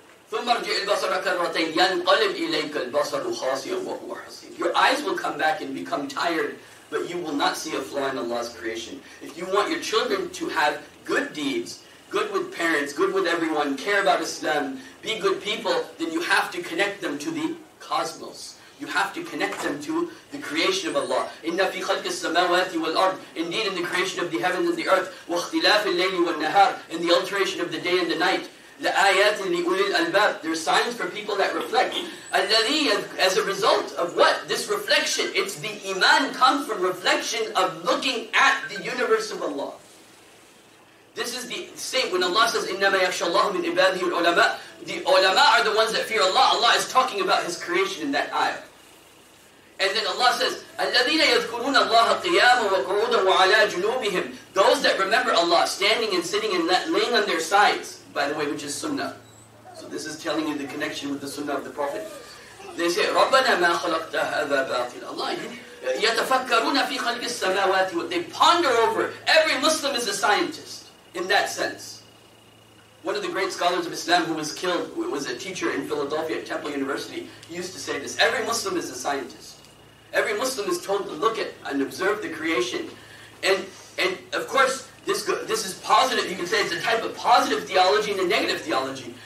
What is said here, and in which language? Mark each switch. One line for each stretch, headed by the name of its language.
Arabic: ثم ارجع البصر كرتين ينقلب إليك البصر خاصيا وهو حسين.
English: Your eyes will come back and become tired, but you will not see a flaw in Allah's creation. If you want your children to have good deeds, good with parents, good with everyone, care about Islam, be good people, then you have to connect them to the cosmos. You have to connect them to the creation of Allah.
Arabic: إِنَّ فِي خَلْقِ السَّمَاوَاتِ وَالْأَرْضِ.
English: Indeed, in the creation of the heaven and the earth,
Arabic: وَاخْتِلَافِ اللَّيْلِ وَالنَّهَارِ.
English: In the alteration of the day and the night,
Arabic: لَآيَاتٍ لِأُولِي الْأَلْبَابِ.
English: There are signs for people that reflect. As a result of what? This reflection. It's the iman comes from reflection of looking at the universe of Allah. This is the same when Allah says,
Arabic: إِنَّمَا يَخْشَى اللَّهُ مِنْ عِبَادِهِ الْعُلَمَاء.
English: The ulama are the ones that fear Allah. Allah is talking about His creation in that ayah. And then Allah says,
Arabic: الَّذِينَ يَذْكُرُونَ اللَّهَ قِيَامًا وَقُعُودًا وَعَلَىٰ جُنُوبِهِمْ.
English: Those that remember Allah, standing and sitting and laying on their sides, by the way, which is sunnah. So this is telling you the connection with the sunnah of the Prophet. They say,
Arabic: رَبَّنَا مَا خَلَقْتَ هَذَا بَاطِلًا. Allah, يَتَفَكَّرُونَ فِي خَلْقِ السَّمَاوَاتِ.
English: They ponder over. Every Muslim is a scientist in that sense. One of the great scholars of Islam who was killed, who was a teacher in Philadelphia at Temple University, used to say this. Every Muslim is a scientist. Every Muslim is told to look at and observe the creation. And of course, this is positive. You can say it's a type of positive theology and a negative theology.